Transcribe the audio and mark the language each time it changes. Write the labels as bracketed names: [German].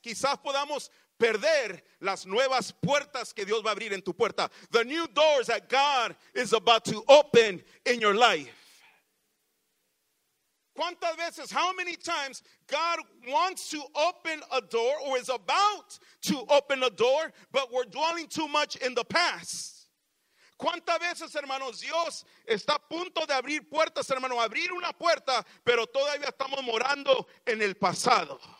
[Spanish] Quizás podamos perder las nuevas puertas que Dios va a abrir en tu puerta. [English] The new doors that God is about to open in your life. ¿Cuántas veces, how many times God wants to open a door or is about to open a door, but we're dwelling too much in the past? [Spanish] ¿Cuántas veces, hermanos, Dios está a punto de abrir puertas, hermano, abrir una puerta, pero todavía estamos morando en el pasado?